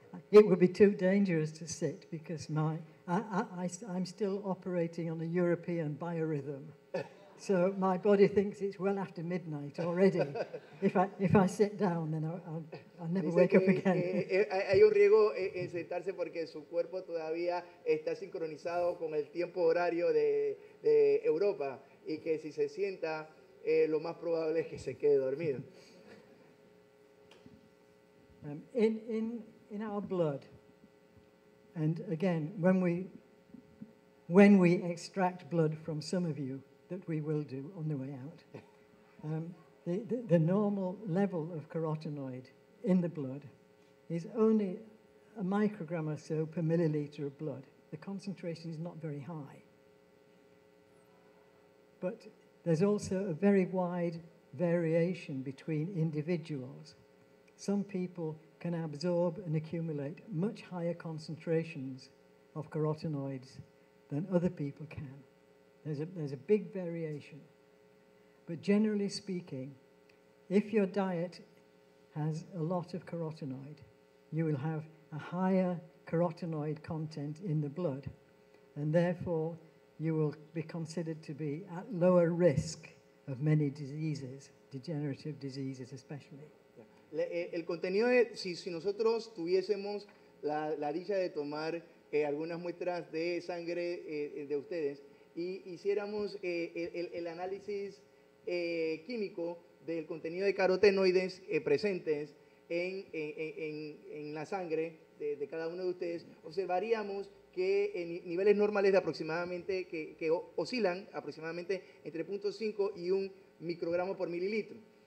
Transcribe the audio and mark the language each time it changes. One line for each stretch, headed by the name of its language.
English: It would be too dangerous to sit because I'm still operating on a European biorhythm. So my body thinks it's well after midnight already. If I sit down, then I'll never wake up again.
Spanish: Hay un riesgo en sentarse porque su cuerpo todavía está sincronizado con el tiempo horario de Europa y que si se sienta, lo más probable es que se quede dormido.
English: In our blood, and again, when we extract blood from some of you, that we will do on the way out. The normal level of carotenoid in the blood is only a microgram or so per milliliter of blood. The concentration is not very high. But there's also a very wide variation between individuals. Some people can absorb and accumulate much higher concentrations of carotenoids than other people can. There's a big variation. But generally speaking, if your diet has a lot of carotenoid, you will have a higher carotenoid content in the blood, and therefore you will be considered to be at lower risk of many diseases, degenerative diseases especially. Yeah.
Spanish: El contenido de, si nosotros tuviésemos la dicha de tomar algunas muestras de sangre de ustedes, y hiciéramos el análisis químico del contenido de carotenoides presentes en la sangre de cada uno de ustedes, observaríamos que en niveles normales de aproximadamente, que oscilan aproximadamente entre 0.5 y 1 microgramo por mililitro.